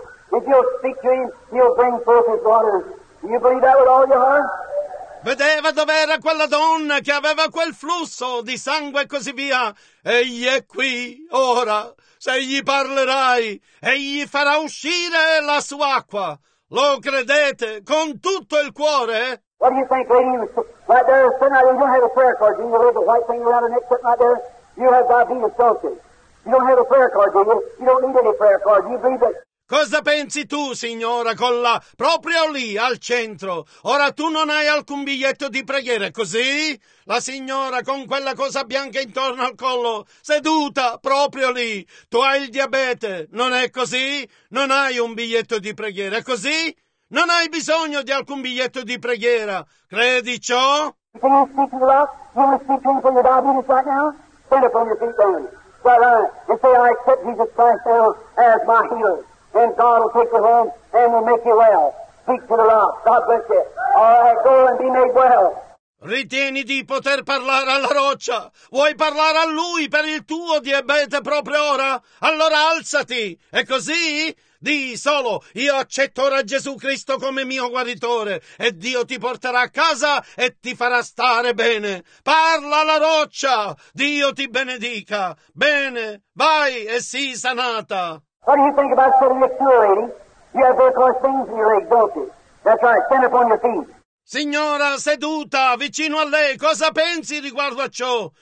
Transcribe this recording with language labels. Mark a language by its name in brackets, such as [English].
[English] If you speak to him, he'll bring forth his water. Do you believe that with all your heart? [Italian] Vedeva dov'era quella donna che aveva quel flusso di sangue e così via. Egli è qui, ora. Se gli parlerai, egli farà uscire la sua acqua. Lo credete con tutto il cuore? [English] What do you think, lady? Right there, sitting right there. You don't have a prayer card. You have the white thing around the neck sitting right there. You have diabetes, don't you? You don't have a prayer card, do you? You don't need any prayer card. Do you believe it? [Italian] Cosa pensi tu, signora, con la... proprio lì, al centro. Ora tu non hai alcun biglietto di preghiera, così? La signora, con quella cosa bianca intorno al collo, seduta, proprio lì. Tu hai il diabete, non è così? Non hai un biglietto di preghiera, così? Non hai bisogno di alcun biglietto di preghiera. Credi ciò? [English] Can you speak to the rock? You want to speak to him for your diabetes right now? Stand up on your feet, then. Well, and say, I accept Jesus Christ now as my healer. And God will take you home and will make you well. Speak to the rock. God bless you. All right, go and be made well. [Italian] Ritieni di poter parlare alla roccia? Vuoi parlare a lui per il tuo diabete proprio ora? Allora alzati! È così? Di solo, io accetto ora Gesù Cristo come mio guaritore e Dio ti porterà a casa e ti farà stare bene. Parla alla roccia! Dio ti benedica! Bene, vai e sii sanata! [English] What do you think about sitting next to you, lady? You have very close things in your leg, don't you? That's right, stand up on your feet. [Italian] Signora, seduta, vicino a lei, cosa pensi riguardo a ciò?